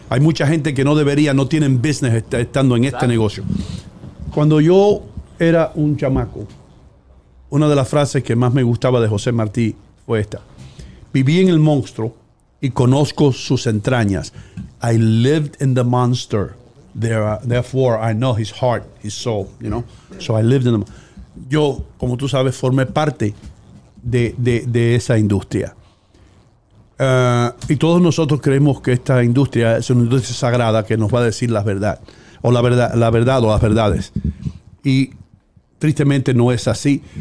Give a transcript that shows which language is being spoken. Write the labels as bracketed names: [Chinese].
[Spanish] Hay mucha gente que no debería, no tienen business estando en este negocio. Cuando yo era un chamaco, una de las frases que más me gustaba de José Martí fue esta. Viví en el monstruo y conozco sus entrañas. [English] I lived in the monster. Therefore, I know his heart, his soul, you know? So I lived in the monster. [Spanish] Yo, como tú sabes, formé parte de esa industria. Y todos nosotros creemos que esta industria es una industria sagrada que nos va a decir la verdad. o la verdad o las verdades. Y tristemente no es así.